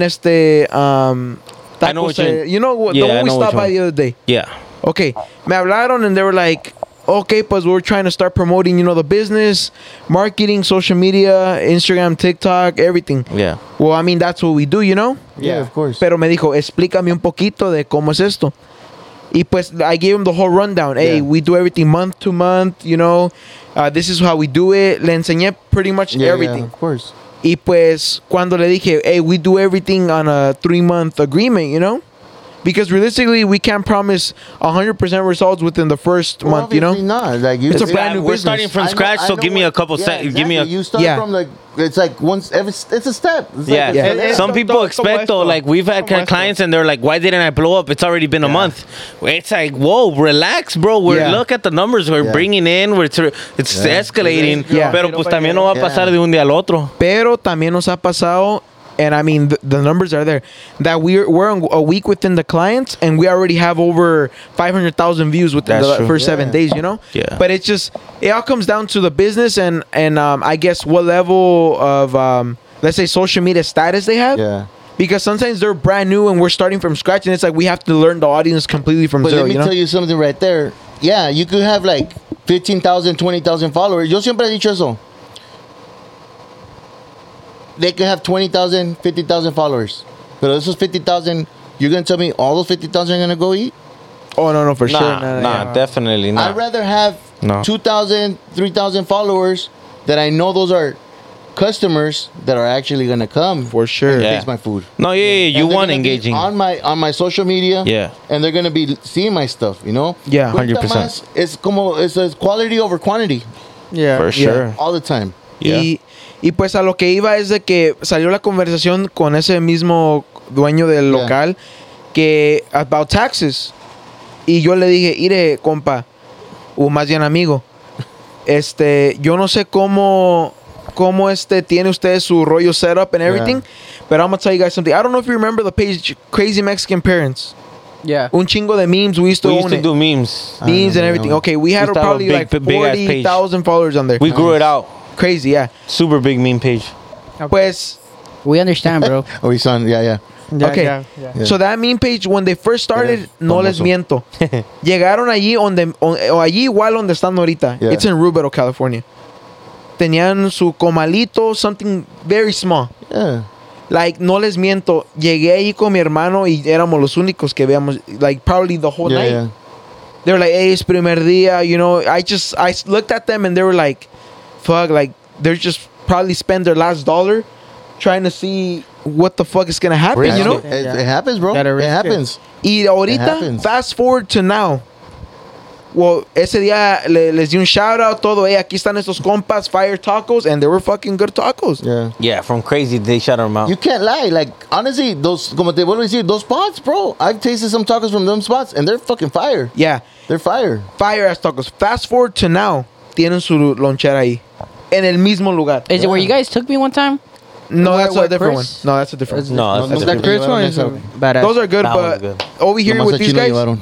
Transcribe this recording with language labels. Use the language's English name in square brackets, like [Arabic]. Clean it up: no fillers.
[English] tacos, I know what you're, you know, yeah, the one we stopped by the other day. Yeah. Okay. [Spanish] Me hablaron [English] and they were like, okay, [Spanish] pues [English] we're trying to start promoting, you know, the business, marketing, social media, Instagram, TikTok, everything. Yeah. Well, I mean, that's what we do, you know? Yeah, of course. Pero me dijo, explícame un poquito de cómo es esto. [Spanish] Y pues, [English] I gave him the whole rundown. Hey, yeah, we do everything month to month, you know? This is how we do it. [Spanish] Le enseñé [English] pretty much everything. Yeah, of course. [Spanish] Y pues, cuando le dije, [English] hey, we do everything on a 3-month agreement, you know? Because realistically, we can't promise 100% results within the first month, you know? Not. Like, it's a brand new business. We're starting from scratch, so give me a couple steps. Exactly. You start from, like, it's like once, it's a step. It's yeah. Like, yeah. It's some people expect, though, like, we've had kind of clients, and they're like, why didn't I blow up? It's already been a month. It's like, whoa, relax, bro. Look at the numbers we're bringing in. It's escalating. Yeah. [Spanish] Pero pues también no va a pasar de un día al otro. Pero también nos ha pasado. [English] And I mean, the numbers are there. That we're a week within the clients, and we already have over 500,000 views within first 7 days, you know? Yeah. But it's just, it all comes down to the business and I guess what level of, let's say, social media status they have. Yeah. Because sometimes they're brand new and we're starting from scratch, and it's like we have to learn the audience completely from zero. But let me tell you something right there. Yeah, you could have like 15,000, 20,000 followers. [Spanish] Yo siempre he dicho eso. [English] They could have 20,000, 50,000 followers. But this is 50,000. You're going to tell me all those 50,000 are going to go eat? Oh, no, for nah, sure. Nah, definitely not. I'd rather have 2,000, 3,000 followers that I know those are customers that are actually going to come. For sure. And taste my food. No, yeah. You want engaging. On my social media. Yeah. And they're going to be seeing my stuff, you know? Yeah, 100%. It's [Spanish] como, [English] it's quality over quantity. Yeah. For sure. Yeah. All the time. Yeah. [Spanish] Y pues a lo que iba es de que salió la conversación con ese mismo dueño del local que [English] about taxes. [Spanish] Y yo le dije, "Ire, compa, o más bien amigo, yo no sé cómo tiene usted su rollo [English] set up and everything, but I'm gonna tell you guys something. I don't know if you remember the page Crazy Mexican Parents. Yeah. [Spanish] Un chingo de memes. [English] We used to do memes. Memes and everything. Okay, we had probably big, like 40,000 followers on there. We grew it out. Crazy, yeah. Super big meme page. Okay. Pues, we understand, bro. Oh, we saw, yeah. Okay. Yeah. So that meme page, when they first started, [Spanish] no les miento. Llegaron allí donde, allí igual donde están ahorita. [English] Yeah. It's in Rubero, California. [Spanish] Tenían su comalito, [English] something very small. Yeah. Like, [Spanish] no les miento. Llegué ahí con mi hermano y éramos los únicos que veíamos, [English] like, probably the whole night. Yeah. They were like, hey, [Spanish] es primer día, [English] you know. I looked at them and they were like, fuck, like, they're just probably spend their last dollar trying to see what the fuck is gonna happen, you know? It happens, bro. It happens. [Spanish] Y ahorita, [English] fast forward to now. Well, [Spanish] ese día les di un [English] shout out, [Spanish] todo. [English] Hey, [Spanish] aquí están estos compas, [English] fire tacos, and they were fucking good tacos. Yeah. Yeah, from crazy, they shout them out. You can't lie. Like, honestly, those spots, bro, I've tasted some tacos from them spots, and they're fucking fire. Yeah. They're fire. Fire ass tacos. Fast forward to now. [Spanish] Tienen su lonchera ahí. En el mismo lugar. [English] Is it where you guys took me one time? No, that's a different one. No, that's a different one. No, that's a different one. Those are good, but over here with these guys.